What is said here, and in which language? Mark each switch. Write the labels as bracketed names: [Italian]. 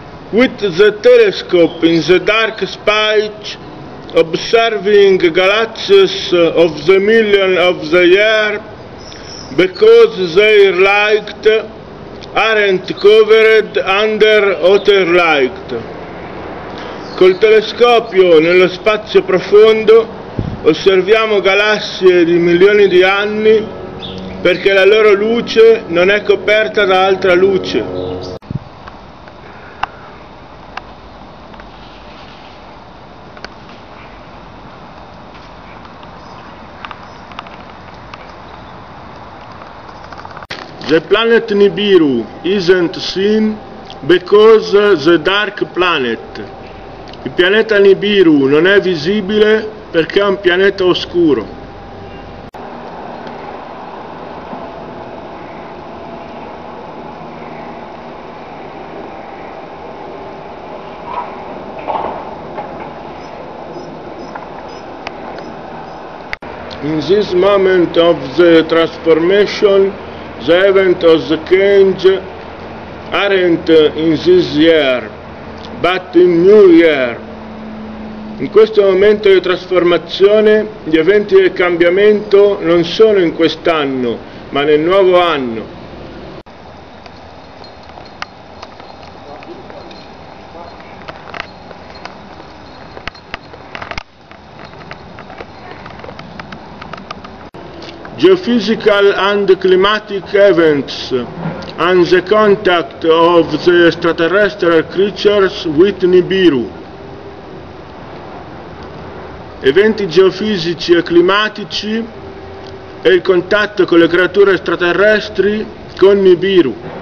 [English] With the telescope in the dark space, observing galaxies of the millions of the year, because their light aren't covered under other light. [Italian] Col telescopio nello spazio profondo osserviamo galassie di milioni di anni perché la loro luce non è coperta da altra luce. [English] The planet Nibiru isn't seen because the dark planet. [Italian] Il pianeta Nibiru non è visibile perché è un pianeta oscuro. [English] In this moment of the transformation, the event of the change aren't in this year, but in new year. [Italian] In questo momento di trasformazione, gli eventi del cambiamento non sono in quest'anno, ma nel nuovo anno. [English] Geophysical and climatic events and the contact of the extraterrestrial creatures with Nibiru. [Italian] Eventi geofisici e climatici e il contatto con le creature extraterrestri con Nibiru.